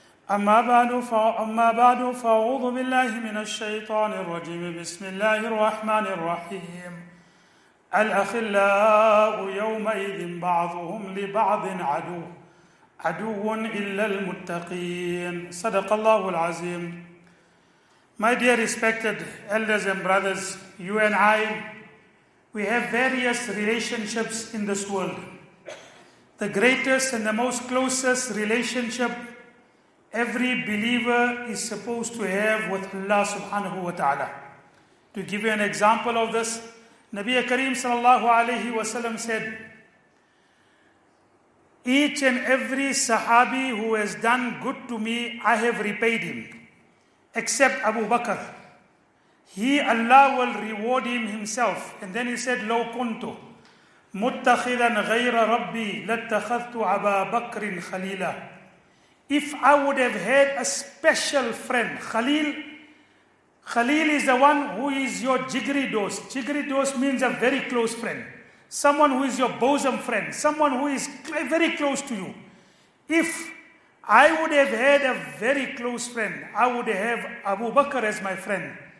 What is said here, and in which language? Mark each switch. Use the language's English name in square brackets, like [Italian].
[Arabic] أما بعد فأعوذ بالله من الشيطان الرجيم بسم الله الرحمن الرحيم الأخلاء يومئذ بعضهم لبعض عدو إلا المتقين صدق الله العظيم [English] My dear respected elders and brothers, you and I, we have various relationships in this world. The greatest and the most closest relationship every believer is supposed to have with Allah subhanahu wa ta'ala. To give you an example of this, Nabiya Kareem sallallahu alayhi wa sallam said, each and every sahabi who has done good to me, I have repaid him, except Abu Bakr. He, Allah will reward him himself. And then he said, [Arabic] لو كنت متخذا غير ربي لاتخذت أبا بكر خليلا. [English] If I would have had a special friend, Khalil is the one who is your jigri dost. Jigri dost means a very close friend. Someone who is your bosom friend. Someone who is very close to you. If I would have had a very close friend, I would have Abu Bakr as my friend.